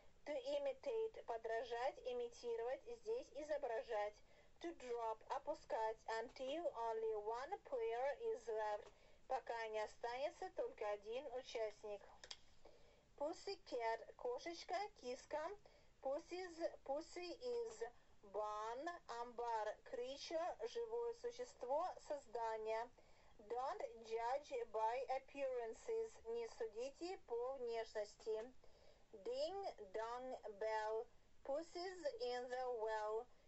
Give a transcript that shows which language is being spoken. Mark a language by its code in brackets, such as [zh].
[en] To imitate, [ru] подражать, имитировать, здесь изображать. [en] To drop, [ru] опускать, [en] until only one player is left, [ru] пока не останется только один участник. Pussycat, кошечка, киска. [en] Pussy is barn, [ru] амбар, [en] creature, [ru] живое существо, создание. [en] Don't judge by appearances, [ru] не судите по внешности. [en] Ding dong bell. Pussy's in the well.